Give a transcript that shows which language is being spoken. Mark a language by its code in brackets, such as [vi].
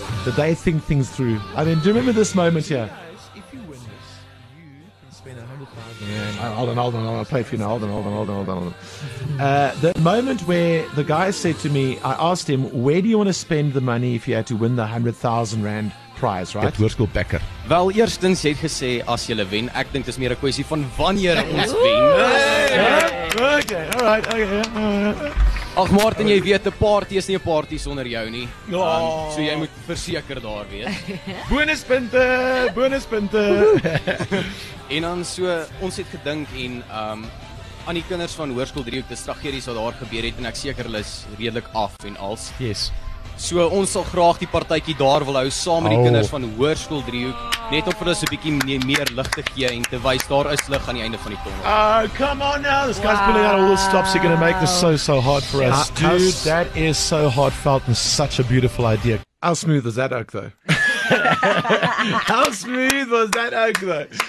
[en] Did they think things through? I mean, do you remember this moment here? If you win this, you can spend 100,000. Yeah, hold on. I'll play for you now. Hold on. The moment where the guy said to me, I asked him, where do you want to spend the money if you had to win the 100,000 rand? Prize, right? [af] Dit Hoërskool Becker. Wel, eerstens het gesê as jy wen, ek dink dis meer 'n kwessie van wanneer ons wen. [en] Okay. [af] Ag Martin, jy weet 'n party is nie 'n party sonder jou nie. Ja. So jy moet verseker daar wees. Bonuspunte. En dan so, ons het gedink en aan die kinders van Hoërskool Driehoek, die tragedie wat daar gebeur het, en ek seker hulle is redelik af en als. [en] Yes. [af] So ons sal graag die partytjie daar wil hou saam met die kinders van Hoërskool Driehoek, net om vir hulle so 'n bietjie meer lig te gee en te wys daar is lig aan die einde van die tunnel. [en] Oh, come on now. This guy's pulling out all the stops. You're going to make this so so hard for us. Dude, that is so heartfelt and such a beautiful idea. How smooth is that oak though? How smooth was that oak though?